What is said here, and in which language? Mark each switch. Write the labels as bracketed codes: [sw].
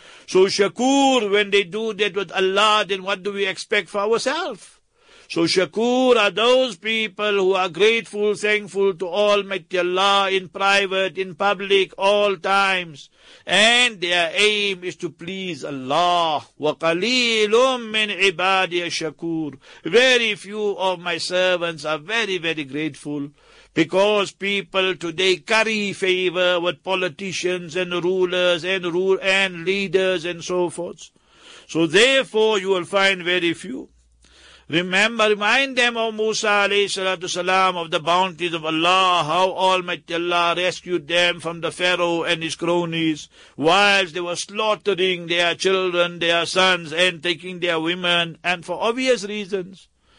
[en] So shakur, when they do that with Allah, then what do we expect for ourselves? So shakur are those people who are grateful, thankful to Almighty Allah in private, in public, all times. And their aim is to please Allah. [ar] وَقَلِيلٌ مِّنْ عِبَادِيَ shakur. [en] Very few of my servants are very, very grateful. Because people today curry favor with politicians and rulers and leaders and so forth. So therefore you will find very few. Remember, remind them of Musa alayhi salatu salam, of the bounties of Allah, how Almighty Allah rescued them from the Pharaoh and his cronies, whilst they were slaughtering their children, their sons, and taking their women, and for obvious reasons.